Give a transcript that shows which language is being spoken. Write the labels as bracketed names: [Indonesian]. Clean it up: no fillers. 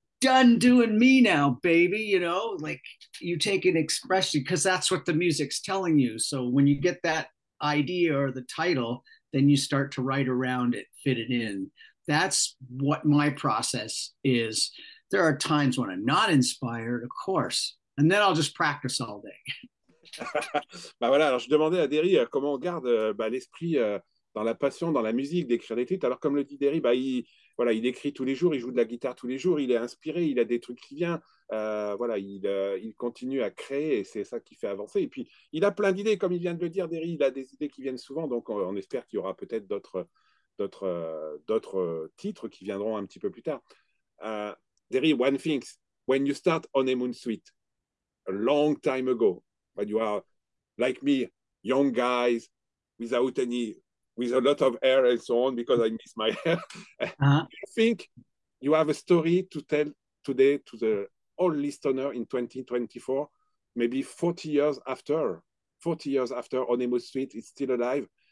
[English] done doing me now, baby, you know, like you take an expression because that's what the music's telling you. So when you get that idea or the title, then you start to write around it, fit it in. That's what my process is. There are times when I'm not inspired, of course, and then I'll just practice all day. [French] Bah voilà, alors je demandais à Derry comment on garde l'esprit dans la passion, dans la musique, d'écrire des titres. Alors comme le dit Derry, bah il voilà, il écrit tous les jours, il joue de la guitare tous les jours, il est inspiré, il a des trucs qui viennent. Voilà, il continue à créer et c'est ça qui fait avancer. Et puis il a plein d'idées, comme il vient de le dire, Derry, il a des idées qui viennent souvent. Donc on espère qu'il y aura peut-être d'autres titres qui viendront un petit peu plus tard. [English] Derry, one thing, when you start Honeymoon Suite, a long time ago, when you are like me, young guys, without any, with a lot of hair and so on, because I miss my hair. Uh-huh. I think you have a story to tell today to the all listener in 2024, maybe 40 years after, 40 years after Honeymoon Suite is still alive.